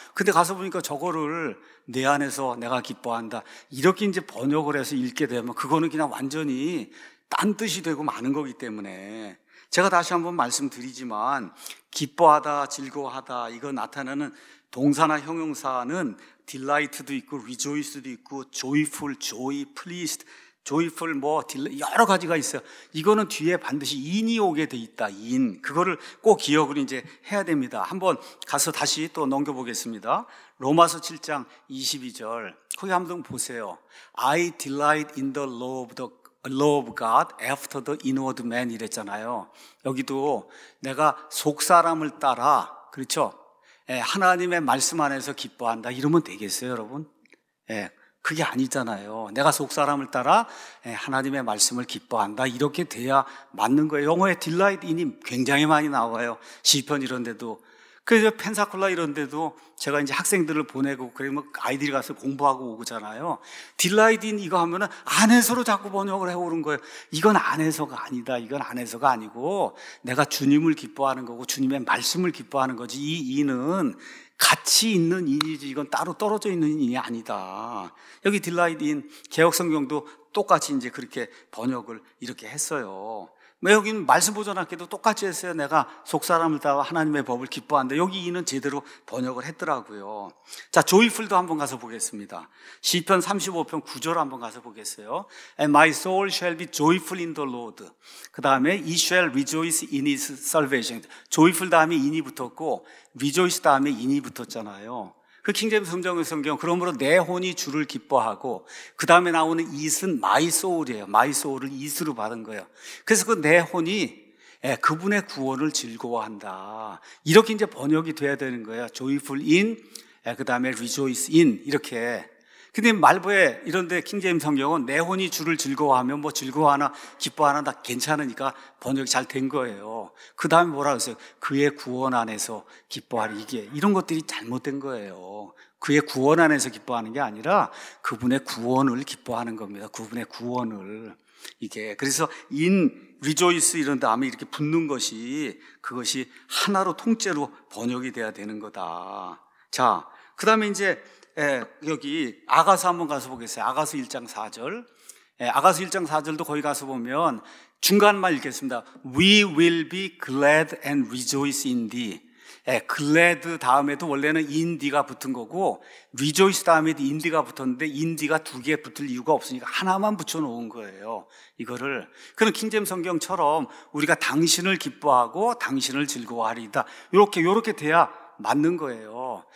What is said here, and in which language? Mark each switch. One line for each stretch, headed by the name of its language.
Korean: 근데 가서 보니까 저거를 내 안에서 내가 기뻐한다 이렇게 이제 번역을 해서 읽게 되면 그거는 그냥 완전히 딴 뜻이 되고 마는 거기 때문에 제가 다시 한번 말씀드리지만 기뻐하다 즐거워하다 이거 나타나는 동사나 형용사는 delight도 있고 rejoice도 있고 joyful, joy, pleased, joyful 뭐 여러 가지가 있어요. 이거는 뒤에 반드시 in이 오게 돼 있다. in 그거를 꼭 기억을 이제 해야 됩니다. 한번 가서 다시 또 넘겨보겠습니다. 로마서 7장 22절 거기 한번 보세요.
English: I delight in the law of the law of God after the inward man 이랬잖아요.
Korean: 여기도 내가 속사람을 따라 그렇죠? 하나님의 말씀 안에서 기뻐한다 이러면 되겠어요 여러분? 그게 아니잖아요. 내가 속사람을 따라 하나님의 말씀을 기뻐한다 이렇게 돼야 맞는 거예요. 영어에 delight in him 굉장히 많이 나와요. 시편 이런 데도. 그래서 펜사콜라 이런 데도 제가 이제 학생들을 보내고 그러면 아이들이 가서 공부하고 오잖아요. delight in 이거 하면은 안에서로 자꾸 번역을 해오는 거예요. 이건 안에서가 아니다. 이건 안에서가 아니고 내가 주님을 기뻐하는 거고 주님의 말씀을 기뻐하는 거지. 이 in은 같이 있는 in이지 이건 따로 떨어져 있는 in이 아니다. 여기 delight in 개혁성경도 똑같이 이제 그렇게 번역을 이렇게 했어요. 여기는 말씀 보존학교도 똑같이 했어요. 내가 속사람을 따와 하나님의 법을 기뻐한다. 여기 이는 제대로 번역을 했더라고요. 자, 조이풀도 한번 가서 보겠습니다. 시편 35편 9절 한번 가서 보겠어요.
English: And my soul shall be joyful in the Lord.
Korean: 그 다음에
English: he shall rejoice in his salvation.
Korean: 조이풀 다음에 in이 붙었고 rejoice 다음에 in이 붙었잖아요. 그 킹제임스 성경의 성경 그러므로 내 혼이 주를 기뻐하고 그 다음에 나오는 it은 my soul이에요. my soul을 it으로 받은 거예요. 그래서 그 내 혼이 그분의 구원을 즐거워한다 이렇게 이제 번역이 돼야 되는 거예요.
English: joyful in
Korean: 그 다음에
English: rejoice in
Korean: 이렇게. 근데 말부에 이런데 킹제임 성경은 내 혼이 주를 즐거워하면 뭐 즐거워하나 기뻐하나 다 괜찮으니까 번역이 잘 된 거예요. 그 다음에 뭐라 그랬어요? 그의 구원 안에서 기뻐하리. 이게 이런 것들이 잘못된 거예요. 그의 구원 안에서 기뻐하는 게 아니라 그분의 구원을 기뻐하는 겁니다. 그분의 구원을. 이게 그래서 in, rejoice 이런 다음에 이렇게 붙는 것이 그것이 하나로 통째로 번역이 돼야 되는 거다. 자, 그 다음에 이제 여기 아가서 한번 가서 보겠어요. 아가서 1장 4절. 아가서 1장 4절도 거기 가서 보면 중간만 읽겠습니다.
English: We will be glad and rejoice in thee.
Korean: glad 다음에도 원래는 in thee가 붙은 거고 rejoice 다음에도 in thee가 붙었는데 in thee가 두 개 붙을 이유가 없으니까 하나만 붙여놓은 거예요. 이거를 그런 킹제임 성경처럼 우리가 당신을 기뻐하고 당신을 즐거워하리다 이렇게 이렇게 돼야 맞는 거예요.